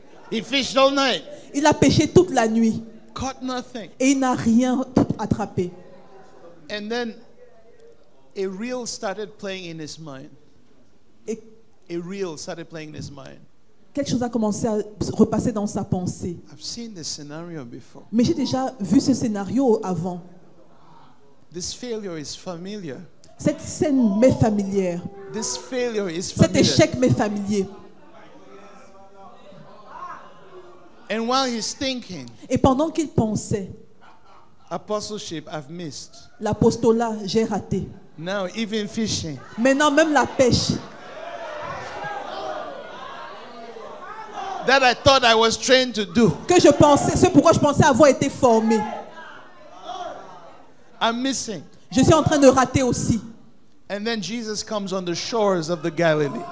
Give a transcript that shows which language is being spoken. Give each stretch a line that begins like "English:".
English: He fished all night.
French: Il a pêché toute la nuit.
English: Caught nothing.
French: Et il n'a rien attrapé.
English: And then a reel started playing in his mind. A reel started playing in his mind.
French: Quelque chose a commencé à repasser dans sa pensée.
English: I've seen this scenario before.
French: Mais j'ai déjà vu ce scénario avant.
English: This failure is familiar.
French: Cette scène m'est familière.
English: This failure is familiar.
French: Cet échec m'est familier.
English: And while he's thinking,
French: et pendant qu'il pensait,
English: apostleship I've missed.
French: L'apostolat j'ai raté.
English: Now even fishing.
French: Maintenant même la pêche.
English: That I thought I was trained to do.
French: Que je pensais, ce pourquoi je pensais avoir été formé.
English: I'm missing.
French: Je suis en train de rater aussi.
English: And then Jesus comes on the shores of the Galilee.